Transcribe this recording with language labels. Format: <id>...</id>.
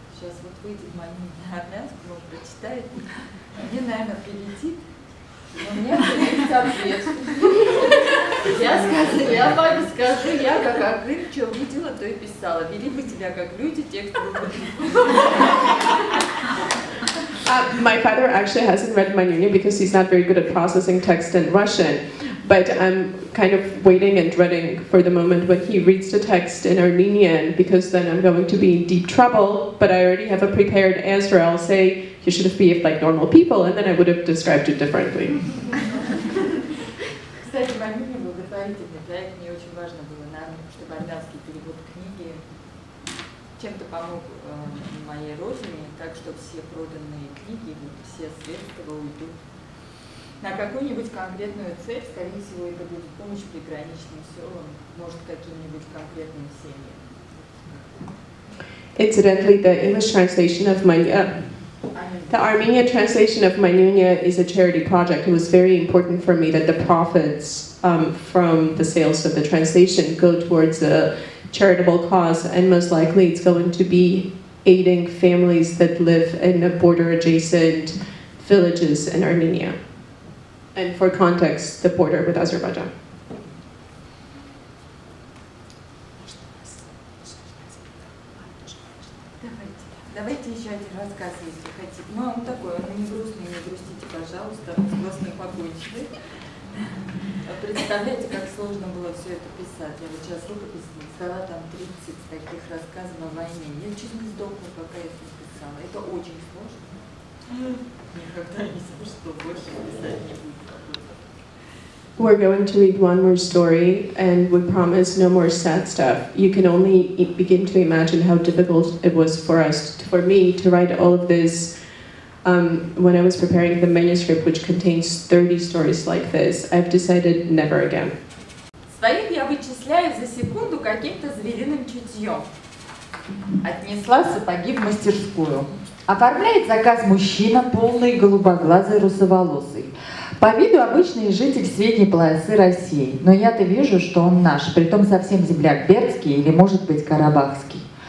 <ru>Сейчас вот выйдет Манюни на армянский, может, прочитает. Мне, наверное, прилетит, но мне прилетит ответ. Я папе скажу, я как Агрын, что увидела, то и писала. Вели бы тебя как люди, те, кто будет.</ru> <en>My father actually hasn't read Manyuni because he's not very good at processing text in Russian. But I'm kind of waiting and dreading for the moment when he reads the text in Armenian, because then I'm going to be in deep trouble, but I already have a prepared answer. I'll say, you should have behaved like normal people, and then I would have described it differently.</en> <ru>Кстати, в Армении благотворительный проект. Мне очень важно было, чтобы армянский перевод книги чем-то помог моей родине, так что все проданные книги, все средства уйдут на какую-нибудь конкретную цель, скорее всего, это будет помощь приграничным селам, может, каким-нибудь конкретным семьям.</ru> <en>Incidentally, the English translation of my the Armenian translation of Manunia is a charity project. It was very important for me that the profits from the sales of the translation go towards a charitable cause, and most likely it's going to be aiding families that live in the border adjacent villages in Armenia. And for context, the border with Azerbaijan.</en> <ru>Давайте еще один рассказ, если хотите. Ну, он такой, он не грустный, не грустите, пожалуйста, классный погонщик. Представляете, как сложно было все это писать. Я вот сейчас рукопись написала, там 30 таких рассказов о войне. Я чуть не сдохла, пока я это писала. Это очень сложно. Никогда не знаю, что больше писать не буду.</ru> <en>We're going to read one more story, and we promise no more sad stuff. You can only begin to imagine how difficult it was for us, for me, to write all of this when I was preparing the manuscript, which contains 30 stories like this. I've decided never again.</en> <ru>Своих я вычисляю за секунду каким-то звериным чутьем. Отнесла сапоги в мастерскую. Оформляет заказ мужчина, полный голубоглазый русоволосый. По виду обычный житель средней полосы России, но я-то вижу, что он наш, притом совсем земляк бердский или, может быть, карабахский.</ru>